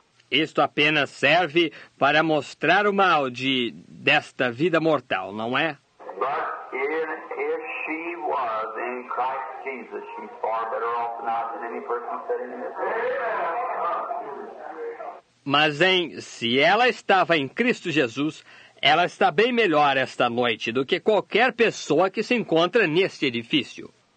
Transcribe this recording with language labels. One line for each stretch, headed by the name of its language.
Portuguese: Isto apenas serve para mostrar o mal desta vida mortal, não é?
English: But if she was in Christ Jesus, she's far better off now than any person sitting in this room.
Portuguese: Mas se ela estava em Cristo Jesus, ela está bem melhor esta noite do que qualquer pessoa que se encontra neste edifício.